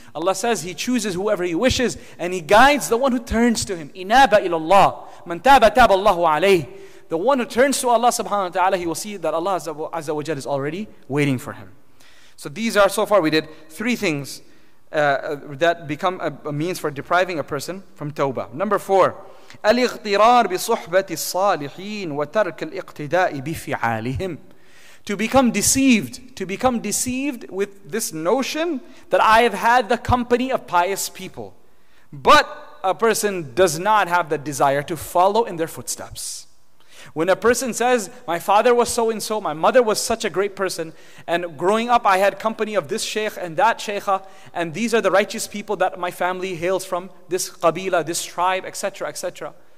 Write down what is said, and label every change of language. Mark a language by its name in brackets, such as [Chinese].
[English] Allah says He chooses whoever He wishes and He guides the one who turns to Him. [Arabic] Inaba ilallah. Man taba taba Allahu alayhi. [English] The one who turns to Allah subhanahu wa ta'ala, he will see that Allah azza wa jal is already waiting for him. So these are, so far we did three things that become a means for depriving a person from tawbah. [Arabic] Number four, الاغترار بصحبة الصالحين وترك الاقتداء بفعالهم. [English] To become deceived, to become deceived with this notion that I have had the company of pious people, but a person does not have the desire to follow in their footsteps. When a person says, my father was so and so, my mother was such a great person, and growing up I had company of this sheikh and that sheikha, and these are the righteous people that my family hails from, this qabila, this tribe, etc., etc.